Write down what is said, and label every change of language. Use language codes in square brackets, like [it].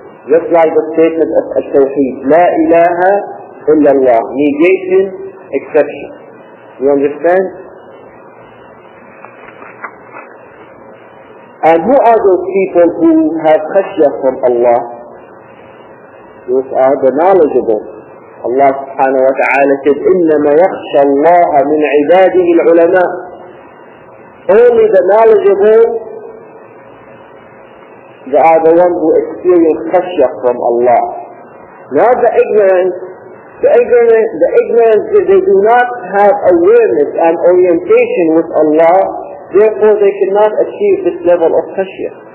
[en] Just like the statement of al-Tawheed, [ar] لا إله إلا الله. [en] Negation, exception. You understand? And who are those people who have khashya from Allah? which are the knowledgeable. Allah subhanahu wa ta'ala said, [ar] إِنَّمَا يَخْشَى اللَّهَ مِنْ عِبَادِهِ الْعُلَمَاءِ. [en] Only the knowledgeable, they are the ones who experience khashya from Allah. Not the ignorant. The ignorant, they do not have awareness and orientation with Allah, therefore they cannot achieve this level of khashya.